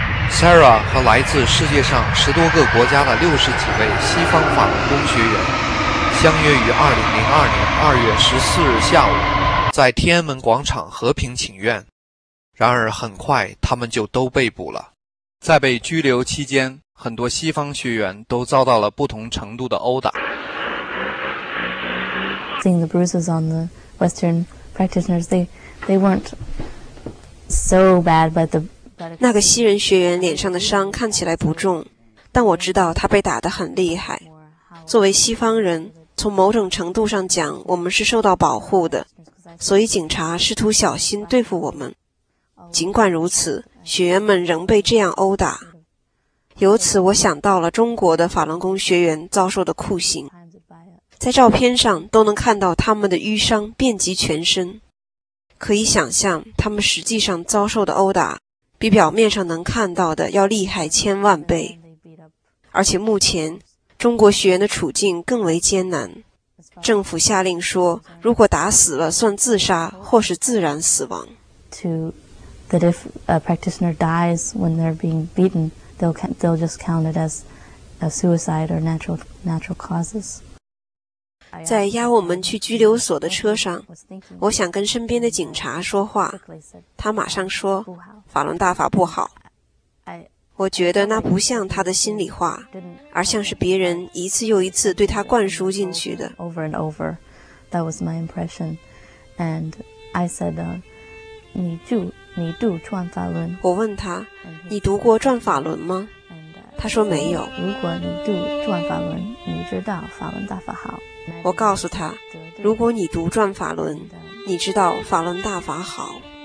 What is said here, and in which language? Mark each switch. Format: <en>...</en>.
<zh>Sarah 和来自世界上10多个国家的60几位西方法轮功学员相约于2002年2月14日下午在天安门广场和平请愿，然而很快他们就都被捕了。在被拘留期间，很多西方学员都遭到了不同程度的殴打。</zh> <en>Seeing the bruises on the Western practitioners, they weren't so bad, but the</en> <zh>那个西人学员脸上的伤看起来不重，但我知道他被打得很厉害。作为西方人，从某种程度上讲，我们是受到保护的，所以警察试图小心对付我们。尽管如此，学员们仍被这样殴打。由此我想到了中国的法轮功学员遭受的酷刑，在照片上都能看到他们的淤伤遍及全身。可以想象他们实际上遭受的殴打比表面上能看到的要厉害千万倍。而且目前中国学员的处境更为艰难，政府下令说如果打死了算自杀或是自然死亡。</zh> <en>That if a practitioner dies when they're being beaten, they'll just count it as a suicide or natural causes.</en> <zh>在押我们去拘留所的车上，我想跟身边的警察说话，他马上说法轮大法不好。我觉得那不像他的心里话，而像是别人一次又一次对他灌输进去的。</zh> <en>Over and over, that was my impression. And I said,</en> <zh>你读转法轮？我问他，你读过转法轮吗？他说没有。如果你读转法轮，你知道法轮大法好。我告诉他，如果你读转法轮，你知道法轮大法好。</zh>